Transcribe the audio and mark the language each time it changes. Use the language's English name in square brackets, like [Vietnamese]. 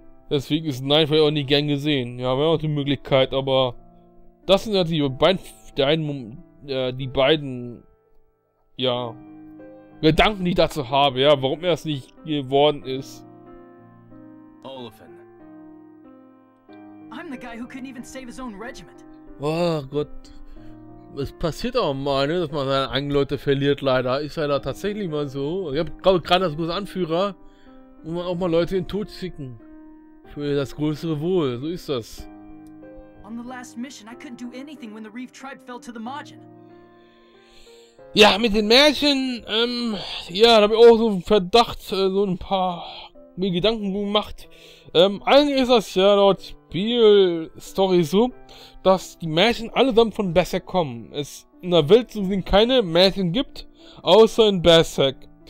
[German] Deswegen ist Nein vielleicht auch nicht gern gesehen. Ja, wäre auch die Möglichkeit, aber das sind ja die beiden Gedanken, die ich dazu habe, ja, warum er es nicht geworden ist. [English] Oliphant. I'm the guy who couldn't even save his own regiment. [German] Oh Gott. Es passiert auch mal, ne, dass man seine eigenen Leute verliert, leider. Ist leider tatsächlich mal so. Ich habe gerade als großer Anführer, muss man auch mal Leute in den Tod schicken. Für das größere Wohl, so ist das. [English] On the last mission, I couldn't do anything when the Reef tribe fell to the Margin. [German] Ja, mit den Märchen, da habe ich auch so einen Verdacht, so ein paar mir Gedanken gemacht. Eigentlich ist das ja laut Spiel-Story so, dass die Märchen allesamt von Berserk kommen. Es in der Welt so gesehen keine Märchen gibt, außer in Berserk.